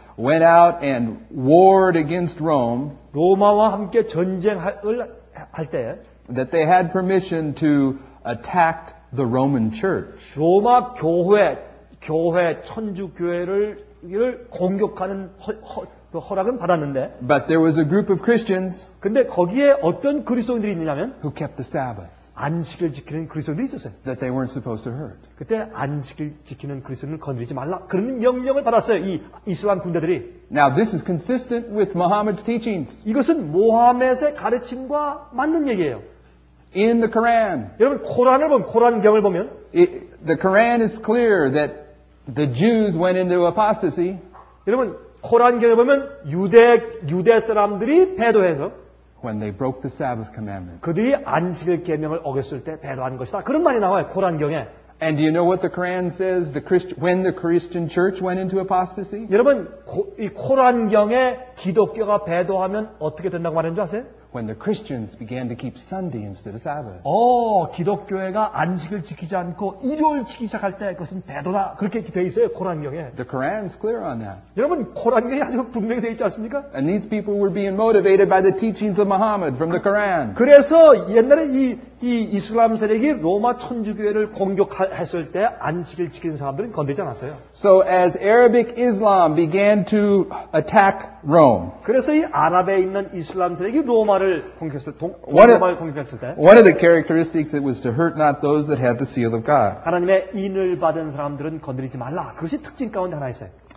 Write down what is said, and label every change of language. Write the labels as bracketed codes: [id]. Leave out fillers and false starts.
[en] Went out and warred against Rome. [ko] 로마와 함께 전쟁을 할 때, [en] that they had permission to attack the Roman Church. [ko] 로마 교회 천주교회를 공격하는 허락은 받았는데. [en] But there was a group of Christians. [ko] 근데 거기에 어떤 그리스도인들이 있느냐면, [en] who kept the Sabbath. [ko] 안식일 지키는 그리스도인들이 있었어요. [en] That they weren't supposed to hurt. [ko] 그때 안식일 지키는 그리스도인을 건드리지 말라. 그런 명령을 받았어요. 이 이슬람 군대들이. [en] Now this is consistent with Muhammad's teachings. [ko] 이것은 모하메드의 가르침과 맞는 얘기예요. [en] In the Quran. [ko] 여러분 코란을 보면 코란 경을 보면 [en] the Quran is clear that the Jews went into apostasy. [ko] 여러분 코란 경을 보면 유대 사람들이 배도해서 [en] When they broke the Sabbath commandment. [ko] 그들이 안식일 계명을 어겼을 때 배도한 것이다. 그런 말이 나와요. 코란경에. [en] And do you know what the Quran says when the Christian church went into apostasy? [ko] 여러분, 이 코란경에 기독교가 배도하면 어떻게 된다고 말하는 줄 아세요? [en] When the Christians began to keep Sunday instead of Sabbath. [ko] 기독교회가 안식을 지키지 않고 일요일 지키기 시작할 때 그것은 배도다. 그렇게 돼 있어요, 코란경에. [en] The Quran's clear on that. [ko] 여러분, 코란경에 아주 분명히 돼 있지 않습니까? [en] And these people were being motivated by the teachings of Muhammad from the Quran. [ko] 그래서 옛날에 이 이슬람 세력이 로마 천주교회를 공격했을 때 안식을 지키는 사람들은 건드리지 않았어요. [en] So as Arabic Islam began to attack Rome. [ko] 그래서 이 아랍에 있는 이슬람 세력이 로마를 공격했을 때 [en] One of the characteristics it was to hurt not those that had the seal of God. [ko] 하나님의 인을 받은 사람들은 건드리지 말라. 그것이 특징 가운데 하나였어요.